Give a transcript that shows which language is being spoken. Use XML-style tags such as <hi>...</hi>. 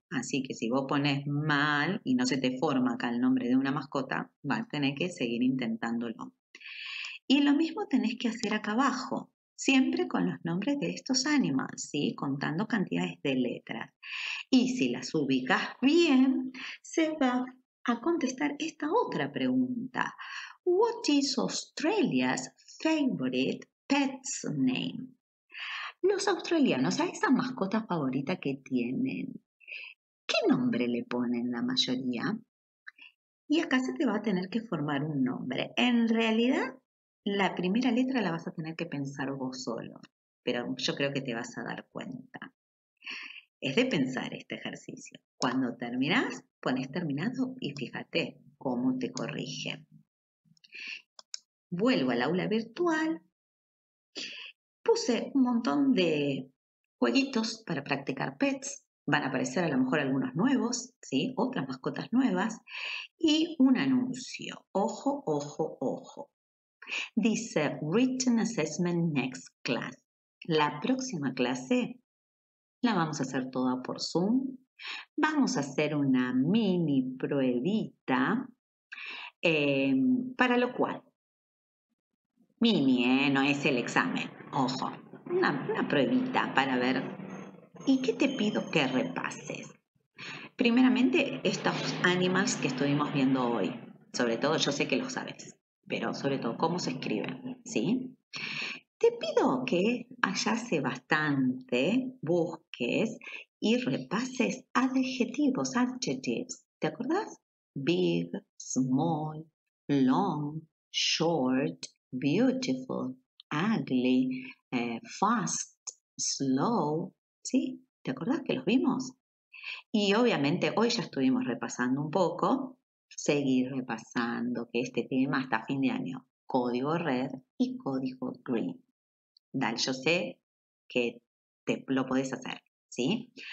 <es>Así que si vos pones mal y no se te forma acá el nombre de una mascota, vas a tener que seguir intentándolo. Y lo mismo tenés que hacer acá abajo. Siempre con los nombres de estos animales, ¿sí? Contando cantidades de letras. Y si las ubicas bien, se va a contestar esta otra pregunta.</es> <en>What is Australia's favorite pet's name?</en> <es>Los australianos, a esa mascota favorita que tienen, ¿qué nombre le ponen la mayoría? Y acá se te va a tener que formar un nombre. En realidad, la primera letra la vas a tener que pensar vos solo, pero yo creo que te vas a dar cuenta. Es de pensar este ejercicio. Cuando terminás, pones terminado y fíjate cómo te corrige. Vuelvo al aula virtual. Puse un montón de jueguitos para practicar pets. Van a aparecer a lo mejor algunos nuevos, ¿sí? Otras mascotas nuevas. Y un anuncio. Ojo, ojo, ojo.</es> <en>Dice, written assessment next class.</en> <es>La próxima clase la vamos a hacer toda por Zoom. Vamos a hacer una mini pruebita, para lo cual, mini, no es el examen, ojo, una pruebita para ver. ¿Y qué te pido que repases? Primeramente, estos animals que estuvimos viendo hoy, sobre todo yo sé que lo sabes. Pero sobre todo, ¿cómo se escribe? ¿Sí? Te pido que hayas bastante, busques y repases adjetivos, adjectives. ¿Te acordás?</es> <en>Big, small, long, short, beautiful, ugly, fast, slow.</en> <es>¿Sí? ¿Te acordás que los vimos? Y obviamente hoy ya estuvimos repasando un poco. Seguir repasando que este tema hasta fin de año. Código red y código green. Dale, yo sé que te lo podés hacer, ¿sí?</es>